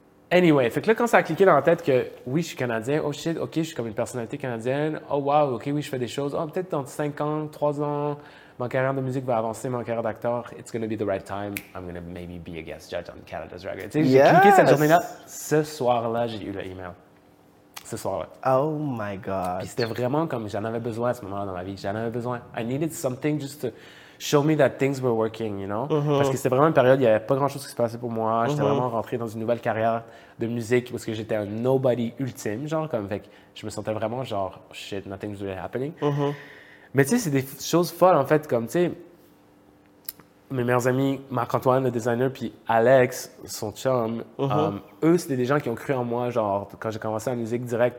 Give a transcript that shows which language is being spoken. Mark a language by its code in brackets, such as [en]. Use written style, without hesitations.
[fr] Anyway, fait que là, quand ça a cliqué dans la tête que oui, je suis canadien, [en] oh shit, ok, [fr] je suis comme une personnalité canadienne, oh wow, ok, oui, je fais des choses, oh, peut-être dans 5 ans, 3 ans, ma carrière de musique va avancer, ma carrière d'acteur, [en] it's gonna be the right time, I'm gonna maybe be a guest judge on Canada's Drag Race. [fr] Tu sais, j'ai cliqué cette journée-là, ce soir-là, j'ai eu l'email. Ce soir-là. [en] Oh my god. [fr] Puis c'était vraiment comme j'en avais besoin à ce moment-là dans ma vie, j'en avais besoin. [en] I needed something just to show me that things were working, you know? [fr] Parce que c'était vraiment une période, il n'y avait pas grand-chose qui se passait pour moi. J'étais vraiment rentré dans une nouvelle carrière de musique parce que j'étais un nobody ultime, genre, comme, fait que je me sentais vraiment genre, [en] oh, shit, nothing's really happening. [fr] Mais tu sais, c'est des choses folles, en fait, comme, tu sais, mes meilleurs amis, Marc-Antoine, le designer, puis Alex, son chum, eux, c'était des gens qui ont cru en moi, genre, quand j'ai commencé la musique directe.